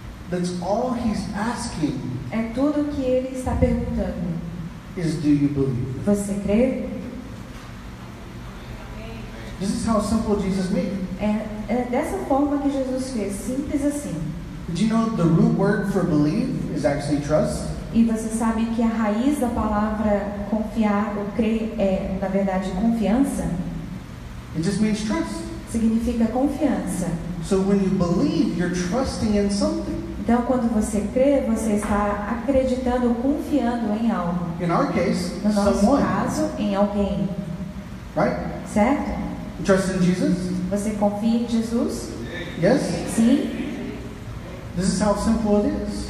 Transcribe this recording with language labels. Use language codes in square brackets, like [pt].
[en] That's all he's asking. [pt] É tudo que ele está perguntando. [en] Is do you believe? [pt] Você crê? [en] This is how simple Jesus made. [pt] É dessa forma que Jesus fez, simples assim. [en] Do you know the root word for believe is actually trust? [pt] E você sabe que a raiz da palavra confiar ou crer é, na verdade, confiança? [en] It just means trust. [pt] Significa confiança. [en] So when you believe, you're trusting in something. [pt] Então, quando você crê, você está acreditando ou confiando em algo. [en] In our case, [pt] no nosso [en] someone. [pt] Caso, em alguém. [en] Right? [pt] Certo? [en] Trust in Jesus? [pt] Você confia em Jesus? [en] Yes? [pt] Sim. [en] This is how simple it is.